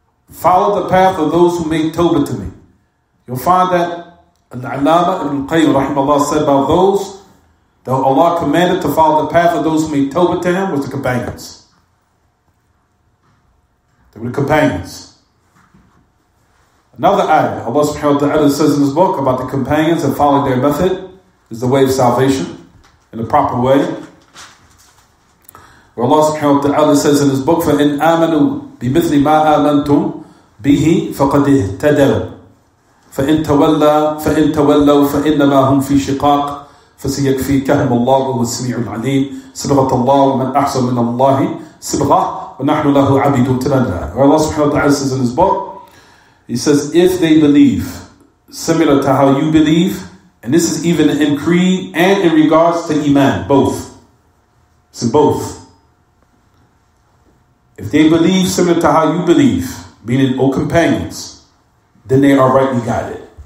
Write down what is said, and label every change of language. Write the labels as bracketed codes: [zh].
[en] Follow the path of those who made tawbah to me. You'll find that Al-Allama Ibn Qayyim rahimahullah said about those that Allah commanded to follow the path of those who made tawbah to him was the companions. They were the companions. Another ayah, Allah subhanahu wa ta'ala says in his book about the companions and following their method is the way of salvation in a proper way. Where Allah subhanahu wa ta'ala says in his book, [ar] فَإِنْ آمَنُوا بِمِثْلِ مَا آمَنْتُمْ بِهِ فَقَدْ اِهْتَدَوْا فَإِنْ تَوَلَّوْا فَإِنَّمَا هُمْ فِي شِقَاقٍ فَسَيَكْفِيكَهُمُ اللَّهُ وَهُوَ السَّمِيعُ الْعَلِيمُ صِبْغَةَ اللَّهِ وَمَنْ أَحْسَنُ مِنَ اللَّهِ صِبْغَةً وَنَحْنُ لَهُ عَبِيدٌ تَنَدَّى. [en] Where Allah subhanahu wa ta'ala says in his book, he says, if they believe, similar to how you believe, and this is even in creed and in regards to iman, both. It's in both. If they believe similar to how you believe, meaning, O companions, then they are rightly guided.